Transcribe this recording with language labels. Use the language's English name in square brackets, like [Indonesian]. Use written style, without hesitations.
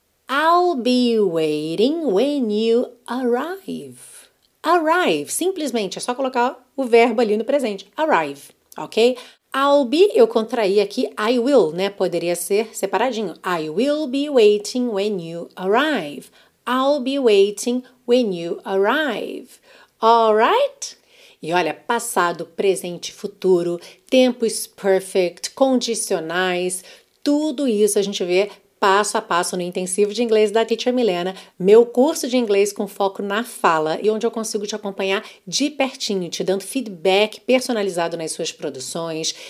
[English] I'll be waiting when you arrive. [Portuguese] Arrive, simplesmente, é só colocar o verbo ali no presente. Arrive, ok? [English] I'll be, [Portuguese] eu contraí aqui, [English] I will, [Portuguese] né? Poderia ser separadinho. [English] I will be waiting when you arrive. I'll be waiting when you arrive. All right? [Portuguese] E olha, passado, presente, futuro, tempo is perfect, condicionais, tudo isso a gente vê passo a passo no intensivo de inglês da Teacher Milena, meu curso de inglês com foco na fala e onde eu consigo te acompanhar de pertinho, te dando feedback personalizado nas suas produções.